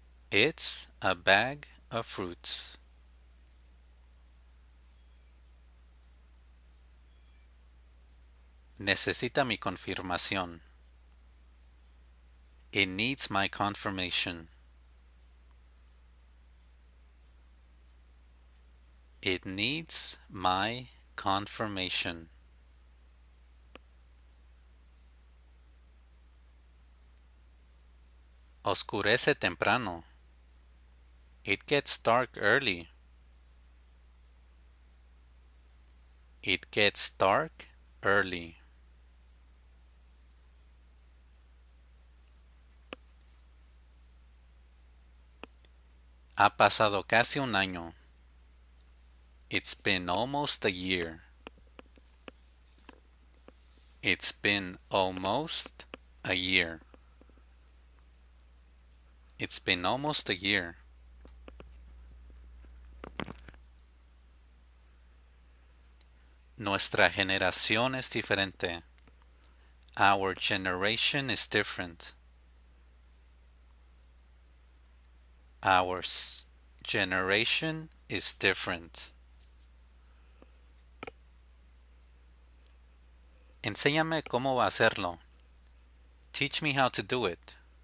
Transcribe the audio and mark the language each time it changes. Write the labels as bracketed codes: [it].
[en] It's a bag of fruits. [es] Necesita mi confirmación. [en] It needs my confirmation. It needs my confirmation. [es] Oscurece temprano. [en] It gets dark early. It gets dark early. [es] Ha pasado casi un año. [en] It's been almost a year. It's been almost a year. It's been almost a year. [es] Nuestra generación es diferente. [en] Our generation is different. Our generation is different. [es] Enséñame cómo hacerlo. [en] Teach me how to do it.